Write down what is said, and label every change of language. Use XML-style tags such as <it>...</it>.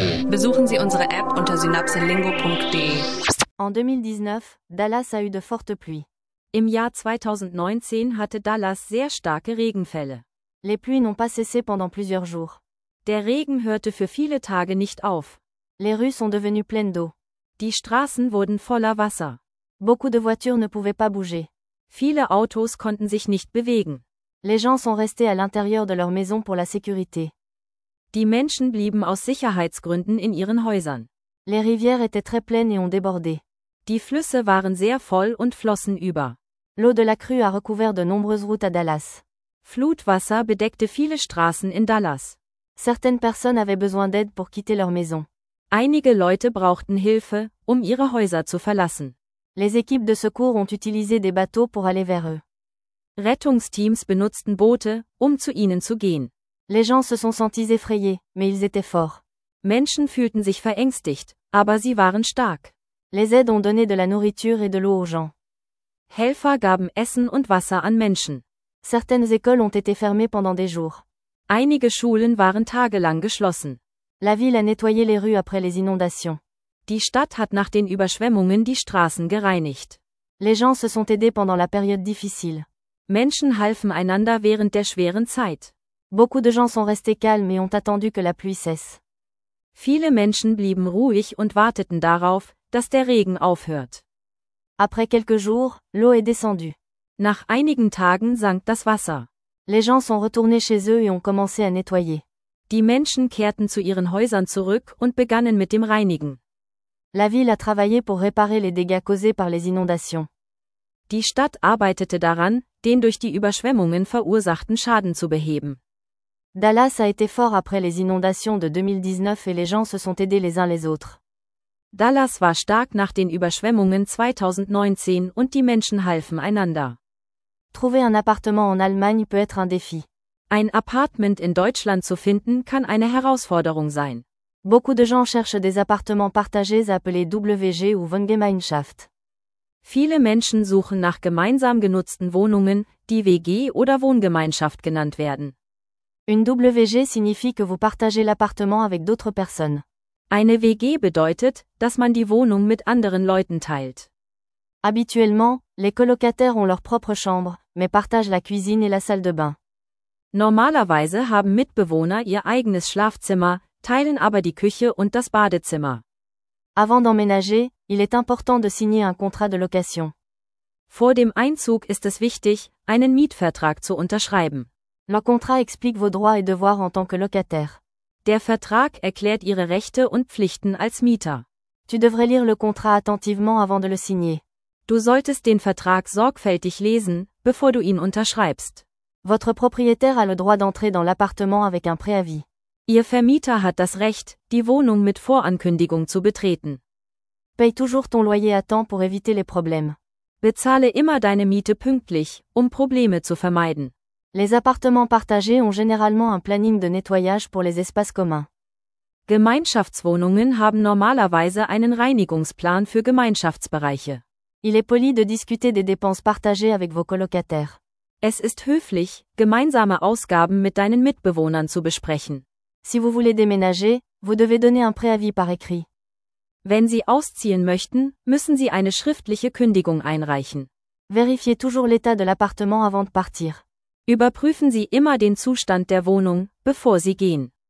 <de>Besuchen Sie unsere App unter synapselingo.de.</de> <fr>En 2019, Dallas a eu de fortes pluies.</fr> <de>Im Jahr 2019 hatte Dallas sehr starke Regenfälle.</de> <fr>Les pluies n'ont pas cessé pendant plusieurs jours.</fr> <de>Der Regen hörte für viele Tage nicht auf.</de> <fr>Les rues sont devenues pleines d'eau.</fr> <de>Die Straßen wurden voller Wasser.</de> <fr>Beaucoup de voitures ne pouvaient pas bouger.</fr> <de>Viele Autos konnten sich nicht bewegen.</de> <fr>Les gens sont restés à l'intérieur de leur maison pour la sécurité.</fr> <de>Die Menschen blieben aus Sicherheitsgründen in ihren Häusern.</de> <fr>Les rivières étaient très pleines et ont débordé.</fr> <de>Die Flüsse waren sehr voll und flossen über.</de> <fr>L'eau de la crue a recouvert de nombreuses routes à Dallas.</fr> <de>Flutwasser bedeckte viele Straßen in Dallas.</de> <fr>Certaines personnes avaient besoin d'aide pour quitter leur maison.</fr> <de>Einige Leute brauchten Hilfe, um ihre Häuser zu verlassen.</de> <fr>Les équipes de secours ont utilisé des bateaux pour aller vers eux.</fr> <de>Rettungsteams benutzten Boote, um zu ihnen zu gehen.</de> <fr>Les gens se sont sentis effrayés, mais ils étaient forts.</fr> <de>Menschen fühlten sich verängstigt, aber sie waren stark.</de> <fr>Les aides ont donné de la nourriture et de l'eau aux gens.</fr> <de>Helfer gaben Essen und Wasser an Menschen.</de> <fr>Certaines écoles ont été fermées pendant des jours.</fr> <de>Einige Schulen waren tagelang geschlossen.</de> <fr>La ville a nettoyé les rues après les inondations.</fr> <de>Die Stadt hat nach den Überschwemmungen die Straßen gereinigt.</de> <fr>Les gens se sont aidés pendant la période difficile.</fr> <de>Menschen halfen einander während der schweren Zeit.</de> <fr>Beaucoup de gens sont restés calmes et ont attendu que la pluie cesse.</fr> <de>Viele Menschen blieben ruhig und warteten darauf, dass der Regen aufhört.</de> <fr>Après quelques jours, l'eau est descendue.</fr> <de>Nach einigen Tagen sank das Wasser.</de> <fr>Les gens sont retournés chez eux et ont commencé à nettoyer.</fr> <de>Die Menschen kehrten zu ihren Häusern zurück und begannen mit dem Reinigen.</de> <fr>La ville a travaillé pour réparer les dégâts causés par les inondations.</fr> <de>Die Stadt arbeitete daran, den durch die Überschwemmungen verursachten Schaden zu beheben.</de> <fr>Dallas a été fort après les inondations de 2019 et les gens se sont aidés les uns les autres.</fr> <de>Dallas war stark nach den Überschwemmungen 2019 und die Menschen halfen einander.</de> <fr>Trouver un appartement en Allemagne peut être un défi.</fr> <de>Ein Apartment in Deutschland zu finden kann eine Herausforderung sein.</de> <fr>Beaucoup de gens cherchent des appartements partagés appelés WG ou Wohngemeinschaft.</fr> <de>Viele Menschen suchen nach gemeinsam genutzten Wohnungen, die WG oder Wohngemeinschaft genannt werden.</de> <fr>Une WG signifie que vous partagez l'appartement avec d'autres personnes.</fr> <de>Eine WG bedeutet, dass man die Wohnung mit anderen Leuten teilt.</de> <fr>Habituellement, les colocataires ont leur propre chambre, mais partagent la cuisine et la salle de bain.</fr> <de>Normalerweise haben Mitbewohner ihr eigenes Schlafzimmer, teilen aber die Küche und das Badezimmer.</de> <fr>Avant d'emménager, il est important de signer un contrat de location.</fr> <de>Vor dem Einzug ist es wichtig, einen Mietvertrag zu unterschreiben.</de> <fr>Le contrat explique vos droits et devoirs en tant que locataire.</fr> <de>Der Vertrag erklärt ihre Rechte und Pflichten als Mieter.</de> <fr>Tu devrais lire le contrat attentivement avant de le signer.</fr> <de>Du solltest den Vertrag sorgfältig lesen, bevor du ihn unterschreibst.</de> <fr>Votre propriétaire a le droit d'entrer dans l'appartement avec un préavis.</fr> <de>Ihr Vermieter hat das Recht, die Wohnung mit Vorankündigung zu betreten.</de> <fr>Paye toujours ton loyer à temps pour éviter les problèmes.</fr> <de>Bezahle immer deine Miete pünktlich, um Probleme zu vermeiden.</de> <fr>Les appartements partagés ont généralement un planning de nettoyage pour les espaces communs.</fr> <de>Gemeinschaftswohnungen haben normalerweise einen Reinigungsplan für Gemeinschaftsbereiche.</de> <fr>Il est poli de discuter des dépenses partagées avec vos colocataires.</fr> <de>Es ist höflich, gemeinsame Ausgaben mit deinen Mitbewohnern zu besprechen.</de> <fr>Si vous voulez déménager, vous devez donner un préavis par écrit.</fr> <de>Wenn Sie ausziehen möchten, müssen Sie eine schriftliche Kündigung einreichen.</de> <fr>Vérifiez toujours l'état de l'appartement avant de partir.</fr> <de>Überprüfen Sie immer den Zustand der Wohnung, bevor Sie gehen.</de>